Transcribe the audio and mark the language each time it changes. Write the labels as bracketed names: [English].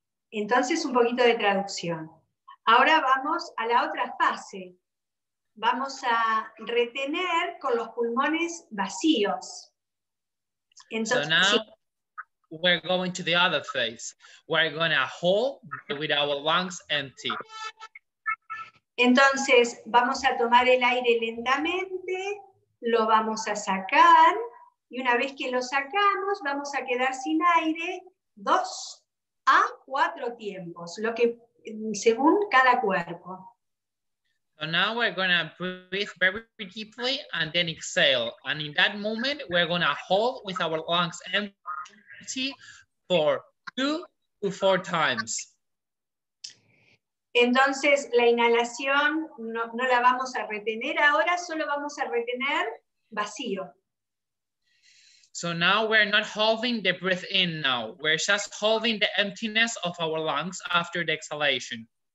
[Spanish] Entonces un poquito de traducción. Ahora vamos a la otra fase. Vamos a retener con los pulmones vacíos. [English] Entonces, so now we're going to the other phase. We're going to hold with our lungs empty. [Spanish] Entonces vamos a tomar el aire lentamente, lo vamos a sacar, y una vez que lo sacamos vamos a quedar sin aire 2 a 4 tiempos, lo que según cada cuerpo. [English] So now we're going to breathe very deeply and then exhale. And in that moment, we're going to hold with our lungs empty for 2 to 4 times. [Spanish] Entonces, la inhalación no la vamos a retener ahora, solo vamos a retener vacío. [English] So now we're not holding the breath in now. We're just holding the emptiness of our lungs after the exhalation.